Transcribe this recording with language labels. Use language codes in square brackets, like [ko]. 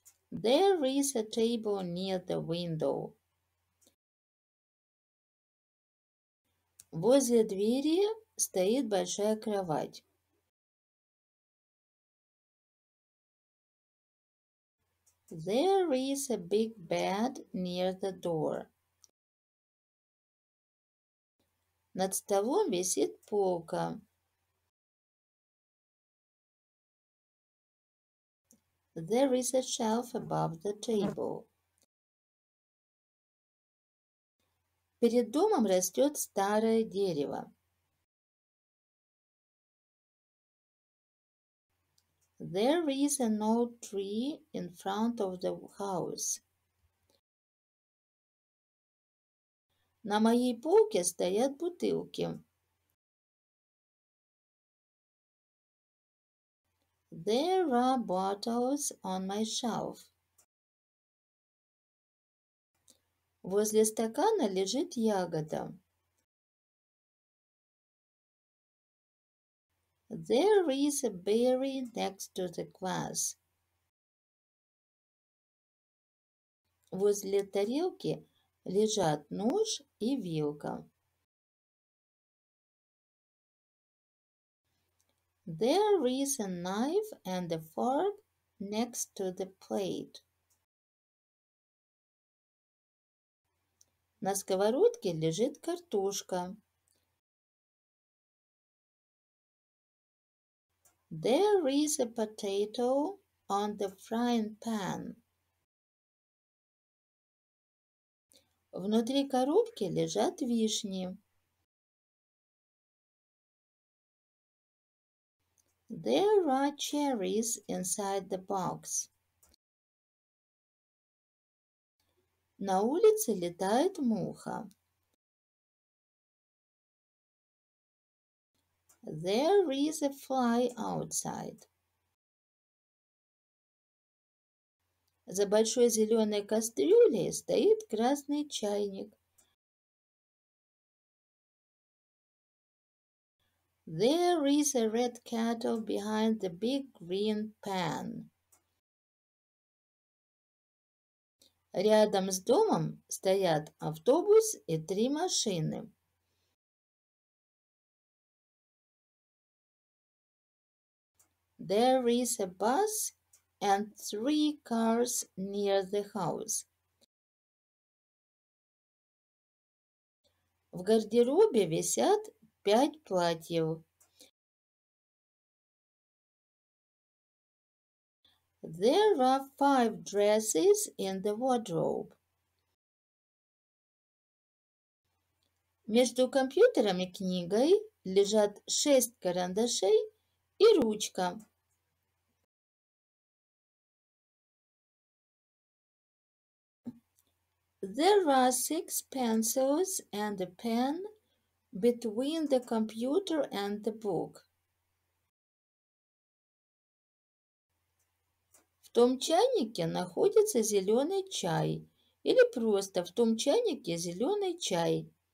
[en] There is a table near the window. [ru] Возле двери стоит большая кровать. [en] There is a big bed near the door. [ru] Над столом висит полка. [en] There is a shelf above the table. [ru] Перед домом растет старое дерево. [en] There is an old tree in front of the house. [ru] На моей полке стоят бутылки. [en] There are bottles on my shelf. [ru] Возле стакана лежит ягода. [en] There is a berry next to the glass. [ru] Возле тарелки лежат нож и вилка. [en] There is a knife and a fork next to the plate. [ru] На сковородке лежит картошка. [en] There is a potato on the frying pan. [ru] Внутри коробки лежат вишни. [en] There are cherries inside the box. [ru] На улице летает муха. [en] There is a fly outside. [ru] За большой зеленой кастрюлей стоит красный чайник. [en] There is a red kettle behind the big green pan. [ru] Рядом с домом стоят автобус и три машины. [en] There is a bus and three cars near the house. [ru] В гардеробе висят пять платьев. [en] There are five dresses in the wardrobe. [ru] Между компьютером и книгой лежат шесть карандашей и ручка. [en] There are six pencils and a pen between the computer and the book. [ru] В том чайнике находится зеленый чай. Или просто в том чайнике зеленый чай.